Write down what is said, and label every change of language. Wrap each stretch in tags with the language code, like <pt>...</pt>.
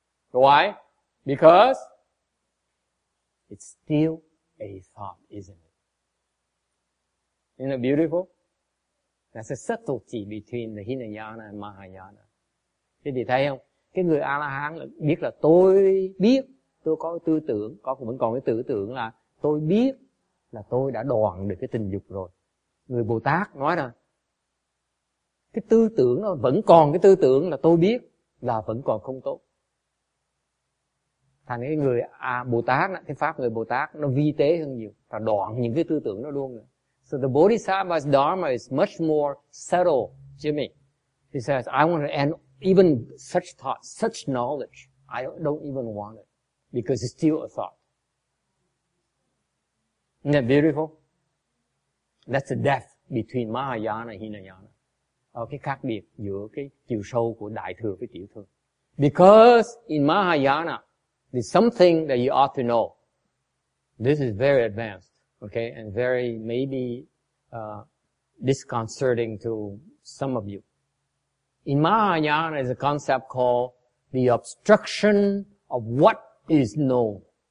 <en>Why? Because it's still a thought, isn't it? Isn't it beautiful? That's a subtlety between the Hinayana and Mahayana.</en> <vi>Thế thì thấy không? Cái người A-la-hán biết là tôi biết, tôi có tư tưởng, có vẫn còn cái tư tưởng là tôi biết là tôi đã đoạn được cái tình dục rồi. Người Bồ-Tát nói là cái tư tưởng nó vẫn còn cái tư tưởng là tôi biết là vẫn còn không tốt. Thành cái người Bồ-Tát, cái pháp người Bồ-Tát nó vi tế hơn nhiều và đoạn những cái tư tưởng đó luôn.</vi> <en>So the Bodhisattva's Dharma is much more subtle to me. He says, I want to end even such thought, such knowledge, I don't even want it. Because it's still a thought. Isn't that beautiful? That's the depth between Mahayana and Hinayana.</en> <vi>Cái khác biệt giữa cái chiều sâu của Đại Thừa với Tiểu Thừa.</vi> <en>Because in Mahayana, there's something that you ought to know. This is very advanced, okay? And very, maybe, disconcerting to some of you. In Mahayana, there's a concept called the obstruction of what is known.</en>